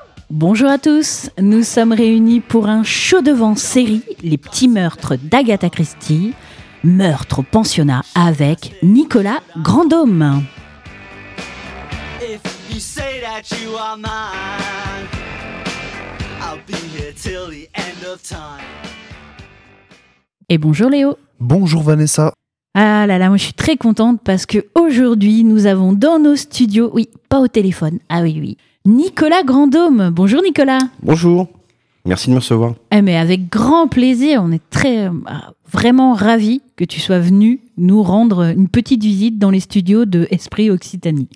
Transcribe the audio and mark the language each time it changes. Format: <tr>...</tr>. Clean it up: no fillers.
<fr>Bonjour à tous, nous sommes réunis pour un show devant série, les petits meurtres d'Agatha Christie, meurtre au pensionnat avec Nicolas Grandhomme.</fr> <en>If you say that you are mine, I'll be here till the end of time.</en> <fr>Et bonjour Léo. Bonjour Vanessa. Ah là là, moi je suis très contente parce que aujourd'hui nous avons dans nos studios, oui, pas au téléphone, ah oui, oui, Nicolas Grandhomme. Bonjour Nicolas. Bonjour, merci de me recevoir. Eh mais avec grand plaisir, on est très, vraiment ravis que tu sois venu nous rendre une petite visite dans les studios de Esprit Occitanie.</fr>